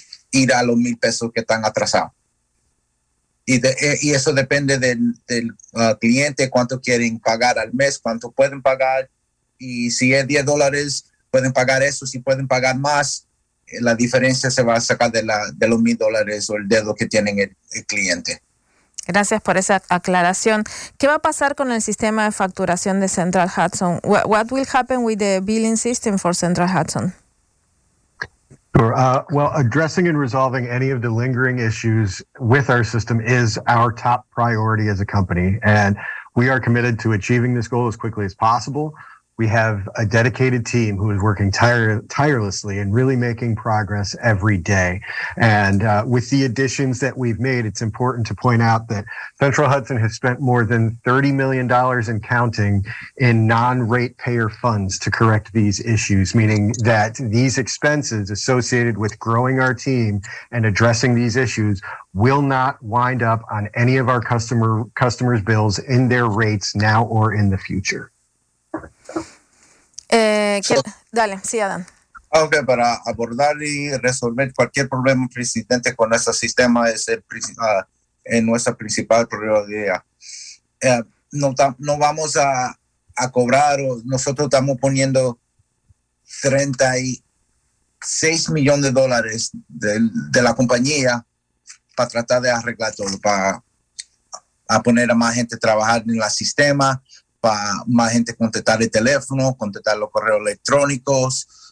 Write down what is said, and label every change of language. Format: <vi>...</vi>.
<es>ir a los 1,000 pesos que están atrasados. Y eso depende del cliente, cuánto quieren pagar al mes, cuánto pueden pagar. Y si es $10, pueden pagar eso. Si pueden pagar más, la diferencia se va a sacar de los $1,000 o el dedo que tienen el cliente. Gracias por esa aclaración. ¿Qué va a pasar con el sistema de facturación de Central Hudson?</es> <en>What will happen with the billing system for Central Hudson? Sure. Well, addressing and resolving any of the lingering issues with our system is our top priority as a company, and we are committed to achieving this goal as quickly as possible. We have a dedicated team who is working tirelessly and really making progress every day. And with the additions that we've made, it's important to point out that Central Hudson has spent more than $30 million and counting in non-rate payer funds to correct these issues, meaning that these expenses associated with growing our team and addressing these issues will not wind up on any of our customers' bills in their rates now or in the future.</en> <es>Dale, sí, Adán. Ok, para abordar y resolver cualquier problema persistente con nuestro sistema es nuestra principal prioridad. No vamos a cobrar, nosotros estamos poniendo $36 millones de la compañía para tratar de arreglar todo, para poner a más gente a trabajar en el sistema, para más gente contestar el teléfono, contestar los correos electrónicos.</es>